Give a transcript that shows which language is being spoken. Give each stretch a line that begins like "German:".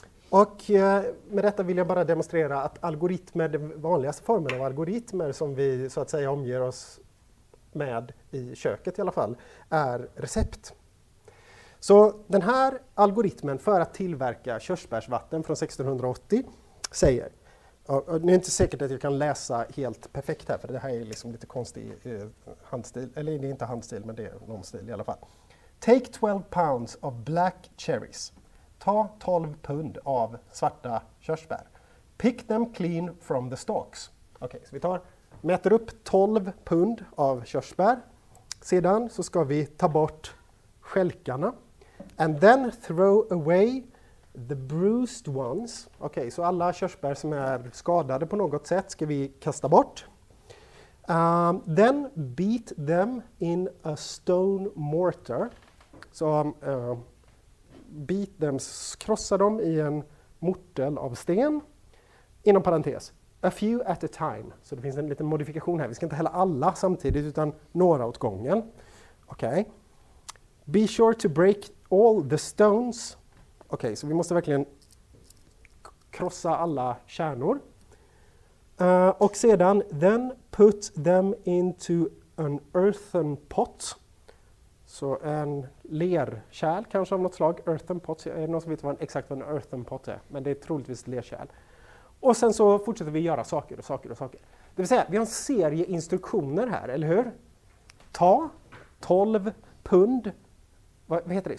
Swedish: Och med detta vill jag bara demonstrera att algoritmer, den vanligaste formen av algoritmer som vi så att säga omger oss med i köket i alla fall, är recept. Så den här algoritmen för att tillverka körsbärsvatten från 1680 säger, nu är inte säkert att jag kan läsa helt perfekt här, för det här är liksom lite konstig handstil, eller det är inte handstil, men det är någon stil i alla fall.
English: Take 12 pounds of black cherries.
Swedish: Ta 12 pund av svarta körsbär.
English: Pick them clean from the stalks.
Swedish: Okej, så vi tar, mäter upp 12 pund av körsbär. Sedan så ska vi ta bort skälkarna.
English: And then throw away the bruised ones.
Swedish: Okej, så alla körsbär som är skadade på något sätt ska vi kasta bort.
English: Then beat them in a stone mortar.
Swedish: Så
English: beat them,
Swedish: krossa dem i en mortel av sten. Inom parentes,
English: a few at a time.
Swedish: Så det finns en liten modifikation här. Vi ska inte hälla alla samtidigt utan några åt gången.
English: Okej. Okay. Be sure to break all the stones.
Swedish: Okej, okay, så vi måste verkligen krossa alla kärnor. Och sedan,
English: then put them into an earthen pot.
Swedish: Så en lerkärl kanske av något slag. Earthen pot, är det någon som vet vad exakt vad en earthen pot är? Men det är troligtvis lerkärl. Och sen så fortsätter vi göra saker och saker och saker. Det vill säga, vi har en serie instruktioner här, eller hur? Ta 12 pund, vad heter det?